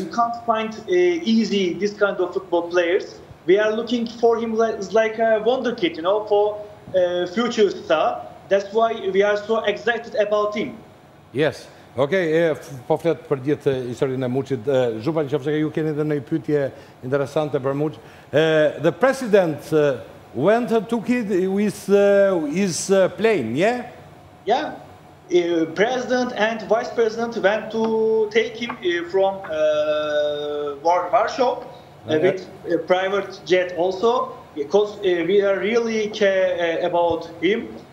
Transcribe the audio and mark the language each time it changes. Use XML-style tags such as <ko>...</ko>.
<en>You can't find easy this kind of football players. We are looking for him like a wonder kid, you know, for future star. That's why we are so excited about him. Yes. Okay.</en> <sq>Po flet për gjithë historinë e Muçit. Zhupa, nëse ju keni edhe një pyetje interesante për Muç.</sq> <en>The president went and took it with his plane, yeah? Yeah. President and vice president went to take him from Warsaw with a private jet also, because we are really care about him.</en>